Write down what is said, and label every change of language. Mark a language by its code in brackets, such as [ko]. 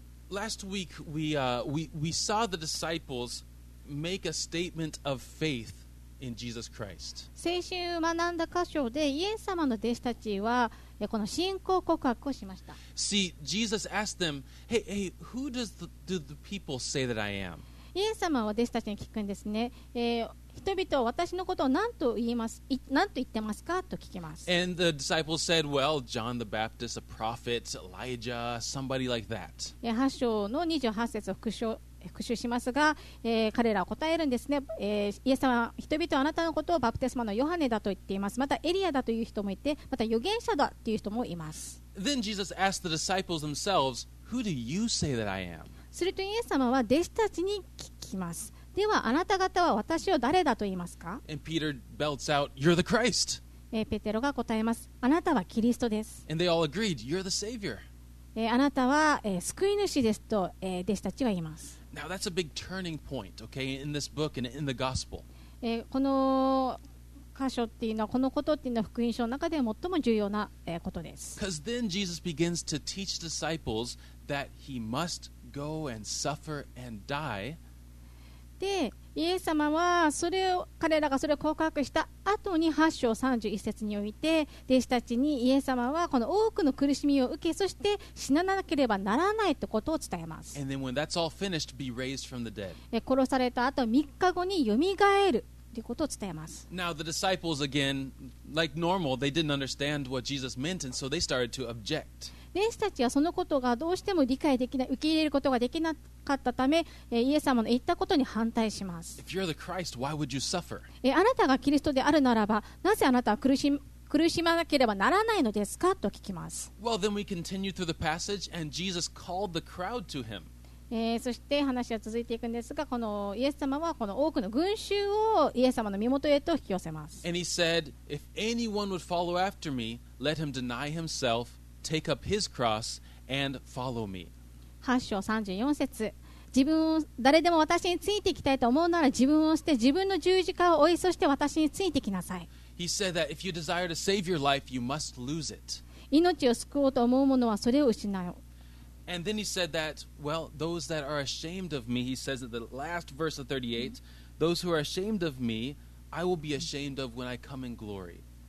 [en] Last week we saw the disciples make a statement of faith. In Jesus Christ. [ja] 先週学んだ箇所でイエス様の弟子たちはこの信仰告白をしました。 [en] See, Jesus asked them, "Hey, hey, who does the, do the people say that I am?" [ja] イエス様は弟子たちに聞くんですね。人々は私のことを何と言います、何と言ってますかと聞きます。 [en] And the disciples said, "Well, John the Baptist, a prophet, Elijah, somebody like that." [ja] 8章の28節を復習しますが、彼らは答えるんですね、イエス様は人々はあなたのことをバプテスマのヨハネだと言っています、またエリアだという人もいて、また預言者だという人もいます。 [en] Then Jesus asked the disciples themselves, Who do you say that I am? [ja] するとイエス様は弟子たちに聞きます。ではあなた方は私を誰だと言いますか。 [en] And Peter belts out, You're the Christ. [ja] ペテロが答えます。あなたはキリストです。 [en] And they all agreed, You're the Savior. [ja] あなたは、救い主ですと、弟子たちは言います。 [en] Now that's a big turning point, okay, in this book and in the gospel. [ja] この箇所っていうのは、このことっていうのは福音書の中で最も重要なことです。 [en] Because then Jesus begins to teach disciples that he must go and suffer and die. [ja] で、イエス様はそれを彼らがそれを告白した後に8章31節において、弟子たちにイエス様はこの多くの苦しみを受け、そして死ななければならないということを伝えます。 [en] And then when that's all finished, be raised from the dead. [ja] 殺された後3日後によみがえるということを伝えます。 [en] Now the disciples again, like normal, they didn't understand what Jesus meant, and so they started to object. [ja] 弟子たちはそのことがどうしても理解できない、受け入れることができなかったため、イエス様の言ったことに反対します。 [en] If you're the Christ, why would you suffer? [ja] あなたがキリストであるならば、なぜあなたは苦しまなければならないのですかと聞きます。 [en] Well, then we continue through the passage, and Jesus called the crowd to him. [ja] そして話は続いていくんですが、このイエス様はこの多くの群衆をイエス様の身元へと引き寄せます。 [en] And he said, If anyone would follow after me, let him deny himself. Take up his cross and follow me. [ja] 8章34節、自分を誰でも私についていきたいと思うなら自分を捨て自分の十字架を追い、そして私についてきなさい。 [en] He said that if you desire to save your life, you must lose it. [ja] 命を救おうと思う者はそれを失う。 [en] And then he said that, well, those that are ashamed of me, he says at the last verse of 38, those who are ashamed of me, I will be ashamed of when I come in glory.